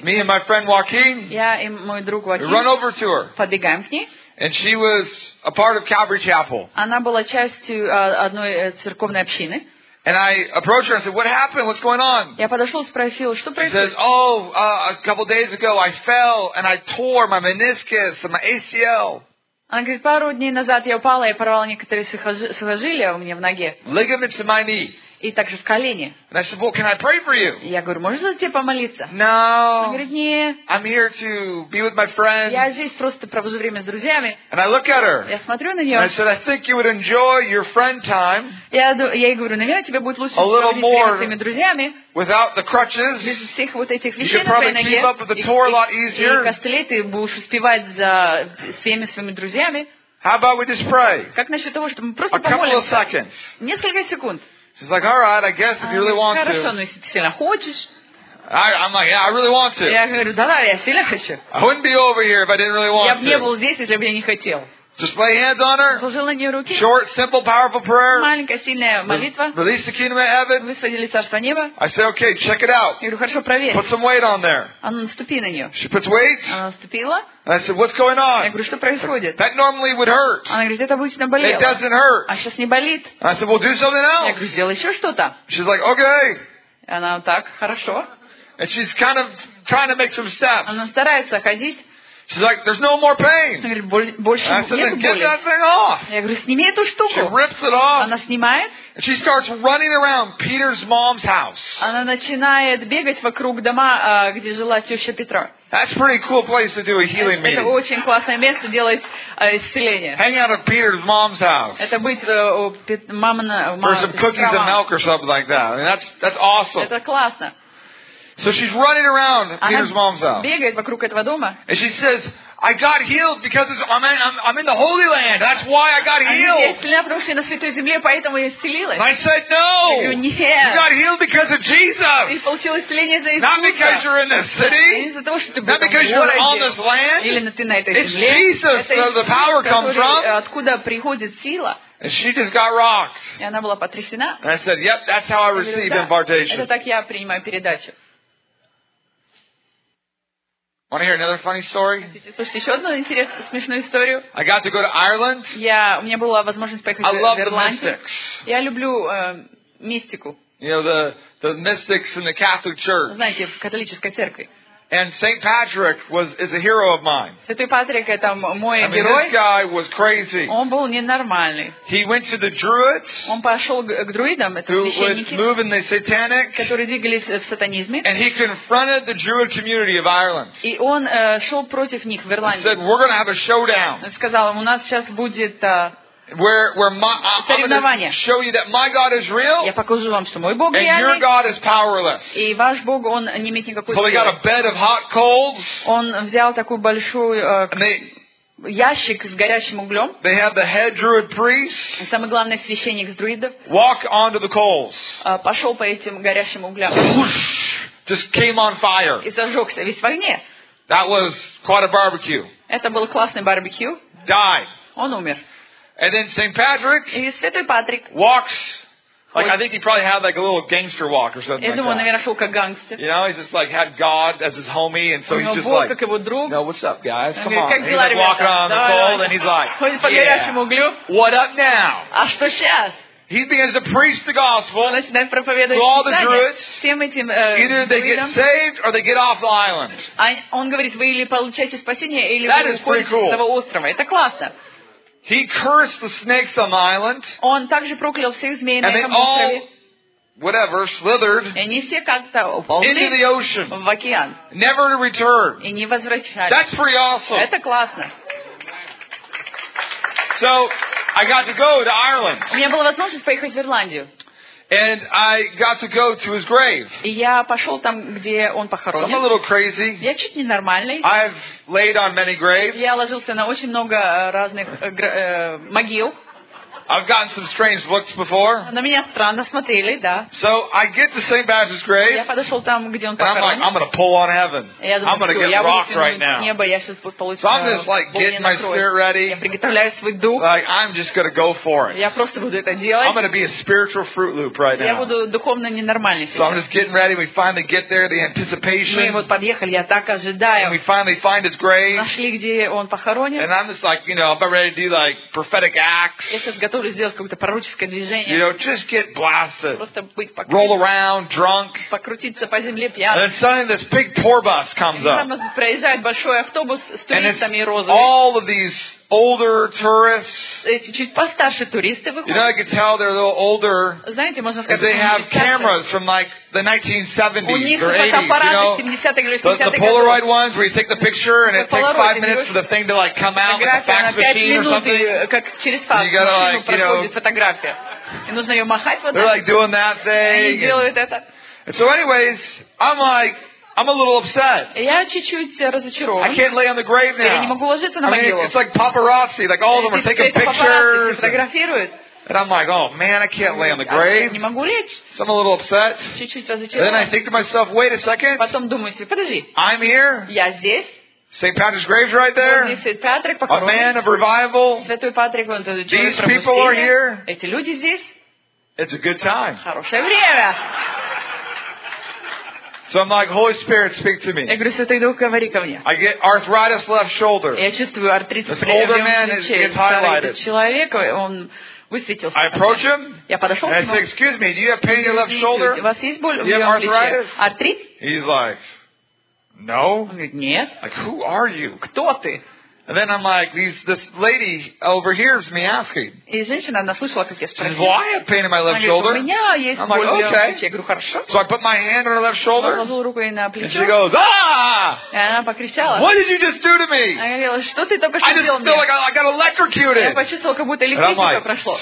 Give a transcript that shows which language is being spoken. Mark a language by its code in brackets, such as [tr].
[en] Me and my friend Joaquin. [ru] Я и мой друг Joaquin. [en] Run over to her. [ru] Подбегаем к ней. [en] And she was a part of Calvary Chapel. [ru] Она была частью одной церковной общины. [en] And I approached her and said, "What happened? What's going on?" [ru] Я подошел и спросил, что происходит. [en] She says, "Oh, a couple days ago, I fell and I tore my meniscus and my ACL." [ru] Она говорит, пару дней назад я упала и порвала некоторые сухожилия у меня в ноге. [en] Ligaments in my knee. [ru] И также в колене. [en] And I said, "Well, can I pray for you?" [ru] Я говорю, можно за тебя помолиться? [en] No. [ru] Она говорит, нет. [en] I'm here to be with my friends. [ru] Я здесь просто провожу время с друзьями. [en] And I look at her. [ru] Я смотрю на нее. [en] And I said, "I think you would enjoy your friend time." [ru] Я ей говорю, наверное, тебе будет лучше провести время с твоими друзьями. [en] Without the crutches. [ru] Без всех вот этих вещей на твоей ноге. [en] You could probably keep up with the tour a lot easier. [ru] И костылей ты будешь успевать за всеми своими друзьями. [en] How about we just pray? [ru] Как насчет того, что мы просто помолимся? [en] A couple of seconds. [ru] Несколько секунд. [en] She's like, "All right, I guess if you really want [ru] хорошо, [en] to." [ru] Хорошо, но если ты сильно хочешь. [en] I'm like, "Yeah, I really want to." [ru] Я говорю, да, я сильно хочу. [en] I wouldn't be over here if I didn't really want to. [ru] Я бы не был здесь, если бы я не хотел. [en] Just lay hands on her. [ru] Положил на нее руки. [en] Short, simple, powerful prayer. [ru] Маленькая сильная молитва. [en] Release the kingdom of heaven. [ru] Высадили царство неба. [en] I say, "Okay, check it out." [ru] Я говорю, хорошо, проверь. [en] Put some weight on there. [ru] Она наступи на нее. [en] She puts weight. [ru] Она наступила. [en] And I said, "What's going on?" [ru] Я говорю, что происходит? [en] That normally would hurt. [ru] Она говорит, это обычно болело. [en] It doesn't hurt. [ru] А сейчас не болит. [en] And I said, "Well, do something else." [ru] Я говорю, сделай еще что-то. [en] She's like, "Okay." [ru] Она так, хорошо. [en] And she's kind of trying to make some steps. [ru] Она старается ходить. [en] She's like, "There's no more pain." [ru] Больше нет боли. [en] I said, "Get that thing off." [ru] Я говорю, сними эту штуку. [en] She rips it off. [ru] Она снимает. [en] And she starts running around Peter's mom's house. [ru] Она начинает бегать вокруг дома, где жила теща Петра. [en] That's a pretty cool place to do a healing meeting. [ru] Это очень классное место делать исцеление. [en] Hang out at Peter's mom's house. [ru] Это быть у мамы. [en] For some cookies and milk or something like that. I mean, that's awesome. [ru] Это классно. [en] So she's running around Peter's mom's house. [ru] Бегает вокруг этого дома. [en] And she says, "I got healed because I'm in the Holy Land. That's why I got healed." [ru] Я исцелена, потому что я на святой земле, поэтому я исцелилась. [en] And I said, "No." [ru] Я говорю, нет. [en] You got healed because of Jesus. [ru] Ты получила исцеление за Иисуса. [en] Not because you're in the city. [ru] Из-за того, что ты в городе. [en] Not because you're on this land. [ru] Или на ты на этой земле. [en] It's Jesus where the power comes from. [ru] Откуда приходит сила? [en] And she just got rocks. [ru] И она была потрясена. [en] And I said, "Yep, that's how I receive impartation." [ru] Это так я принимаю передачу. [en] Want to hear another funny story? [ru] Слушайте, еще одну интересную смешную историю. [en] I got to go to Ireland. [ru] У меня была возможность поехать в [en] Ирландию. I love the mystics. [ru] Я люблю мистику. [en] You know the mystics in the Catholic Church. [ru] Знаете, в католической церкви. [en] And Saint Patrick is a hero of mine. [ru] Святой Патрик это мой герой. [en] I mean, this guy was crazy. [ru] Он был ненормальный. [en] He went to the Druids. [ru] Он пошел к друидам, это священники. [en] Who were moving the satanic. [ru] Которые двигались в сатанизме. [en] And he confronted the Druid community of Ireland. [ru] И он шел против них в Ирландии. [en] He said, "We're going to have a showdown." [ru] Он сказал им, у нас сейчас будет. [en] Where my [ru] соревнования. [en] I'm going to show you that my God is real. [ru] Я покажу вам, что мой Бог реальный. [en] And your God is powerless. [ru] И ваш Бог он не имеет никакой силы. [en] So he got a bed of hot coals. [ru] Он взял такую большую ящик с горячим углем. [en] They have the head druid priest. [ru] Самый главный священник из друидов. [en] Walk onto the coals. [ru] Пошел по этим горящим углям. [en] Just came on fire. [ru] И зажегся весь в огне. [en] That was quite a barbecue. [ru] Это был классный барбекю. [en] Died. [ru] Он умер. [en] And then Saint Patrick. [ru] И святой Патрик. [en] Walks. Like I think he probably had like a little gangster walk or something. [ru] Я думаю, наверное, шел как гангстер. [en] You know, he just like had God as his homie, and so he's just [ru] Бог, [en] like. [ru] Как его друг. [en] No, what's up, guys? Come on. He's like walking on the pole, and he's like. [ru] Ходит по горячему углю. [en] What up now? [ru] А что сейчас? [en] He begins to preach the gospel to all the Druids. Either they get saved or they get off the island. [ru] Он говорит, вы или получаете спасение, или вы уходите с этого острова. Это классно. [en] He cursed the snakes on the island. [ru] Он также проклял всех змей на этом острове. [en] Whatever, slithered into the ocean. [ru] В океан. [en] Never to return. [ru] И не возвращались. [en] That's pretty awesome. [ru] Это классно. [en] So I got to go to Ireland. [ru] У меня была возможность поехать в Ирландию. [en] And I got to go to his grave. [ru] И я пошел там, где он похоронен. [en] I'm a little crazy. [ru] Я чуть не нормальный. [en] I've laid on many graves. [ru] Я ложился на очень много разных могил. [en] I've gotten some strange looks before. [ru] На меня странно смотрели, да. [en] So I get to St. Patrick's grave. [ru] Я подошел там, где он похоронен. [en] And I'm like, I'm gonna pull on heaven. I'm gonna get rocked right now. [ru] Небо, я сейчас получу. [en] So I'm just like getting my spirit ready. [ru] Я приготовляю свой дух. [en] Like I'm just gonna go for it. [ru] Я просто буду это делать. [en] I'm gonna be a spiritual fruit loop right now. [ru] Я буду духовно ненормальный. [en] So I'm just getting ready. We finally get there. The anticipation. [ru] Мы вот подъехали, я так ожидаю. [en] And we finally find his grave. [ru] Нашли, где он похоронен. [en] And I'm just like, you know, I'm about ready to do like prophetic acts. [ru] Сделать какое-то пророческое движение. [en] You know, just get blasted. [ru] Просто быть покрытым. [en] Roll around, drunk. [ru] Покрутиться по земле пьяным. [en] And then suddenly this big tour bus comes up. [ru] И там проезжает большой автобус с туристами розовыми. [en] All of these older tourists. [ru] Эти чуть постарше туристы выходят. [en] You know, I could tell they're a little older. [ru] Знаете, можно сказать, [en] because they have cameras from like the 1970s or 80s. [ru] У них фотоаппараты 70-х или 80-х. [en] The Polaroid ones where you take the picture and it takes 5 minutes for the thing to like come out with the fax machine or something. [ru] Как через фотоаппарат. [en] You gotta like, you know. [ru] Фотография. И нужно ее махать вот так. [en] They're like doing that thing. [ru] Они делают это. [en] And so, anyways, I'm like. I'm a little upset. [ru] Я чуть-чуть разочарован. [en] I can't lay on the grave now. [ru] Я не могу ложиться на могилу. [en] I mean, it's like paparazzi, like all of them are taking pictures. [ru] Фотографируют. [en] And I'm like, oh man, I can't lay on the grave. [ru] Не могу лечь. [en] So I'm a little upset. [ru] Чуть-чуть разочарован. [en] Then I think to myself, wait a second. [ru] Потом думаю себе, подожди. [en] I'm here. [ru] Я здесь. [en] St. Patrick's grave is right there. A man of revival. [ru] Святой Патрик, он тоже. [en] These people are here. [ru] Эти люди здесь. [en] It's a good time. [ru] Хорошее время. [en] So I'm like, Holy Spirit, speak to me. [ru] Я говорю, Святой Дух, говори ко мне. [en] I get arthritis left shoulder. [ru] Я чувствую артрит в левом плече. [en] This older man is highlighted. [ru] Человек, он высветился. [en] I approach him. [ru] Я подошел к нему. [en] I say, excuse me, do you have pain in your left shoulder? [ru] У вас есть боль в левом плече? Артрит? [en] He's like, no. [ru] Он говорит, нет. [en] Like, who are you? [ru] Кто ты? [en] And then I'm like, this lady overhears me asking. [ru] И женщина, она слышала, как я спросила. [en] She says, well, I have pain in my left shoulder. [ru] Она говорит, у меня есть боль в левом плече. Я говорю, хорошо. [en] So I put my hand on her left shoulder. [ru] Положил руку ей на плечо. [en] And she goes, ah! [ru] И она покричала. [en] What did you just do to me? [ru] Она говорила, что ты только что сделал мне? [en] I just feel like I got electrocuted. [ru] Я почувствовала, как будто электричество прошло.